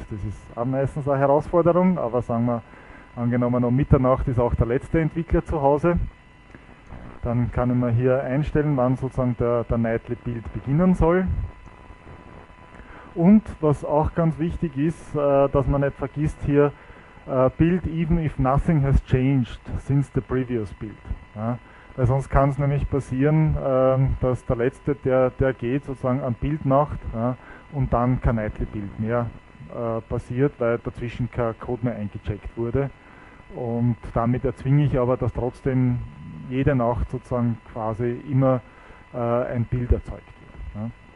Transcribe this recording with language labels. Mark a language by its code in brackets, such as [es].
[de] Das ist auch meistens eine Herausforderung, aber sagen wir, angenommen um Mitternacht ist auch der letzte Entwickler zu Hause. Dann kann ich mir hier einstellen, wann sozusagen der Nightly Build beginnen soll. Und was auch ganz wichtig ist, dass man nicht vergisst, hier [en] build, even if nothing has changed since the previous build. [de] Ja? Weil sonst kann es nämlich passieren, dass der Letzte, der geht, sozusagen ein Build macht, ja, und dann kein Nightly Build mehr passiert, weil dazwischen kein Code mehr eingecheckt wurde. Und damit erzwinge ich aber, dass trotzdem jede Nacht sozusagen quasi immer ein Build erzeugt wird. Ja.